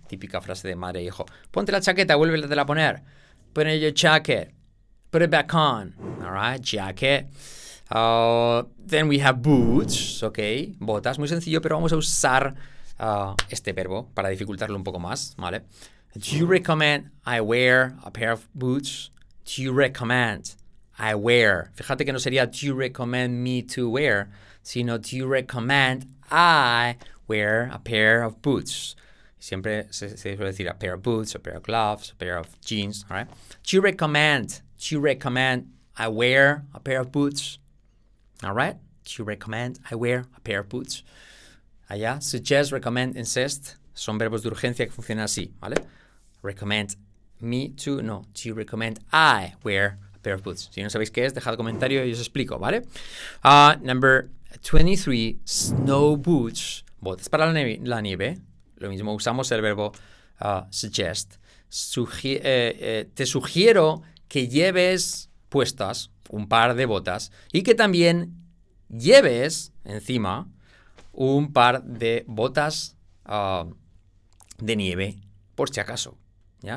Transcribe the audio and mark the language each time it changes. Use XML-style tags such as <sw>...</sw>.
<es>Típica frase de madre e hijo. Ponte la chaqueta, vuélvetela a poner.</es> <en>Put on your jacket. Put it back on. All right, jacket. Then we have boots, ok.</en> <es>Botas, muy sencillo, pero vamos a usar este verbo para dificultarlo un poco más, ¿vale?</es> <en>Do you recommend I wear a pair of boots? Do you recommend I wear?</en> <es>Fíjate que no sería</es> <en>do you recommend me to wear, sino do you recommend I wear a pair of boots?</en> <es>Siempre se suele decir</es> <en>a pair of boots, a pair of gloves, a pair of jeans,</en> <es>¿vale?</es> <en>Do you recommend I wear a pair of boots? All right, do you recommend I wear a pair of boots? Allá, suggest, recommend, insist.</en> <es>Son verbos de urgencia que funcionan así, ¿vale?</es> <en>Recommend me to, no. Do you recommend I wear a pair of boots?</en> <es>Si no sabéis qué es, dejad un comentario y os explico, ¿vale?</es> <en>Number 23, snow boots.</en> <es>Botas para la nieve. Lo mismo, usamos el verbo suggest. Te sugiero que lleves puestas un par de botas y que también lleves encima un par de botas de nieve, por si acaso. ¿Ya?</es>